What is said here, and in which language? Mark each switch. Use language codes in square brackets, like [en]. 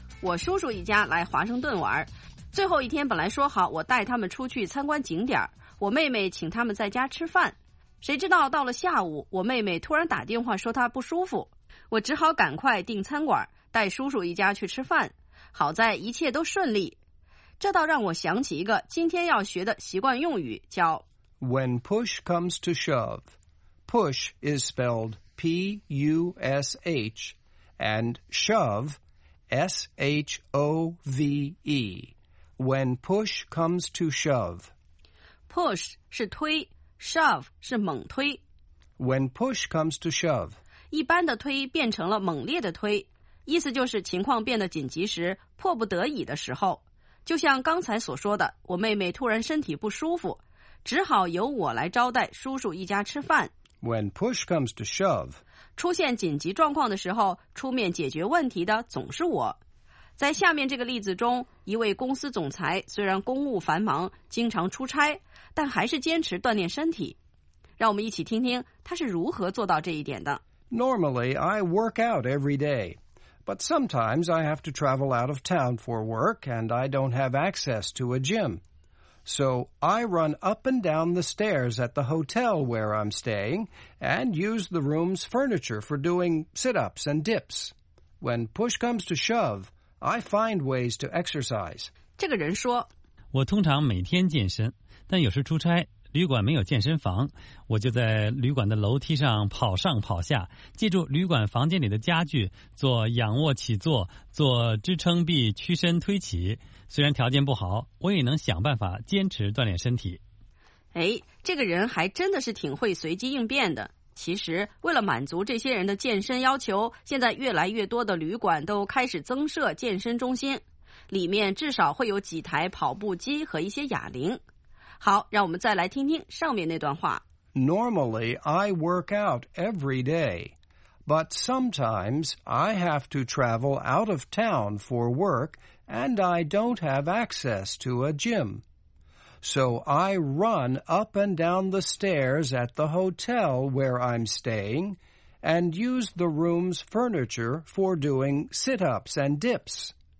[zh] 我叔叔一家来华盛顿玩，最后一天本来说好我带他们出去参观景点，我妹妹请他们在家吃饭，谁知道到了下午我妹妹突然打电话说她不舒服，我只好赶快订餐馆带叔叔一家去吃饭，好在一切都顺利。这倒让我想起一个今天要学的习惯用语，叫 [en] When push comes to shovePush is spelled P-U-S-H and shove, S-H-O-V-E. When push comes to shove. [zh] Push 是推， shove 是猛推。 [en] When push comes to shove. [zh] 一般的推变成了猛烈的推。意思就是情况变得紧急时，迫不得已的时候。就像刚才所说的，我妹妹突然身体不舒服，只好由我来招待叔叔一家吃饭。 [en] When push comes to shove, [zh] 出现紧急状况的时候，出面解决问题的总是我。在下面这个例子中，一位公司总裁虽然公务繁忙，经常出差，但还是坚持锻炼身体。让我们一起听听他是如何做到这一点的。 [en] Normally, I work out every day. But sometimes I have to travel out of town for work and I don't have access to a gym. So I run up and down the stairs at the hotel where I'm staying and use the room's furniture for doing sit-ups and dips. When push comes to shove, I find ways to exercise. [zh] 这个人说，我通常每天健身，但有时出差，旅馆没有健身房，我就在旅馆的楼梯上跑上跑下，借助旅馆房间里的家具做仰卧起坐，做支撑臂屈伸推起。虽然条件不好，我也能想办法坚持锻炼身体。哎，这个人还真的是挺会随机应变的。其实，为了满足这些人的健身要求，现在越来越多的旅馆都开始增设健身中心，里面至少会有几台跑步机和一些哑铃。好，让我们再来听听上面那段话。 [en] Normally, I work out every day, but sometimes I have to travel out of town for work, and I don't have access to a gym. So I run up and down the stairs at the hotel where I'm staying, and use the room's furniture for doing sit-ups and dips.